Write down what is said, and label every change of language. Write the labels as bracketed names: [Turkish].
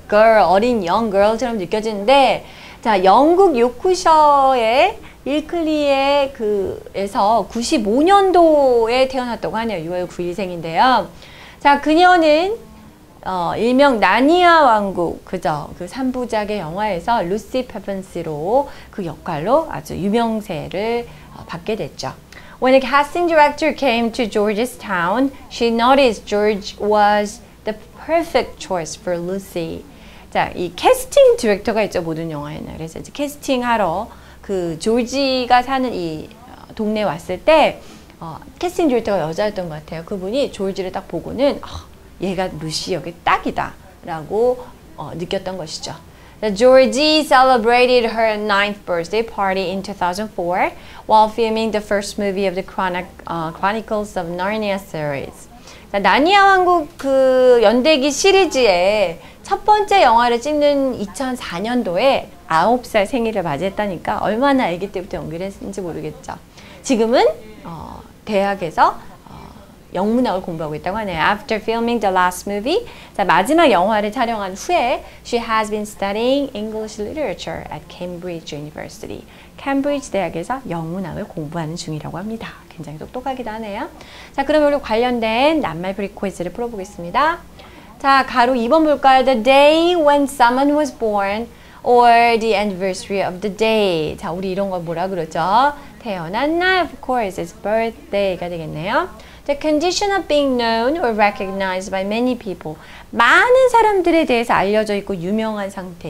[Korean] girl, 어린 [English] young girl [Korean] 처럼 느껴지는데, 자, 영국 요크셔의 일클리에 그에서 95년도에 태어났다고 하네요. 6월 9일생인데요. 자, 그녀는 일명 나니아 왕국, 그죠? 그 3부작의 영화에서 루시 페븐시로 그 역할로 아주 유명세를 받게 됐죠. [English] When the casting director came to George's town, she noticed George was the perfect choice for Lucy. [Korean] 자, 이 캐스팅 디렉터가 있죠, 모든 영화에는. 그래서 이제 캐스팅하러 그 조지가 사는 이 동네 왔을 때 캐스팅 디렉터가 여자였던 것 같아요. 그분이 조지를 딱 보고는 얘가 루시 역에 딱이다 라고 느꼈던 것이죠. [English] Georgie celebrated her 9th birthday party in 2004 while filming the first movie of the Chronicles of Narnia series. [Korean] 자, 나니아 왕국 그 연대기 시리즈의 첫 번째 영화를 찍는 2004년도에 9살 생일을 맞이했다니까 얼마나 아기 때부터 연기를 했는지 모르겠죠. 지금은 대학에서 영문학을 공부하고 있다고 하네요. [English] After filming the last movie, [Korean] 자, 마지막 영화를 촬영한 후에 [English] she has been studying English literature at Cambridge University. [Korean] 캠브리지 대학에서 영문학을 공부하는 중이라고 합니다. 굉장히 똑똑하기도 하네요. 자, 그럼 오늘 관련된 낱말 퀴즈를 풀어보겠습니다. 자, 가로 2번 볼까요? [English] The day when someone was born or the anniversary of the day. [Korean] 자, 우리 이런 걸 뭐라 그러죠? 태어난 날, [English] of course, is birthday [Korean] 가 되겠네요. [English] The condition of being known or recognized by many people. [Korean] 많은 사람들에 대해서 알려져 있고 유명한 상태.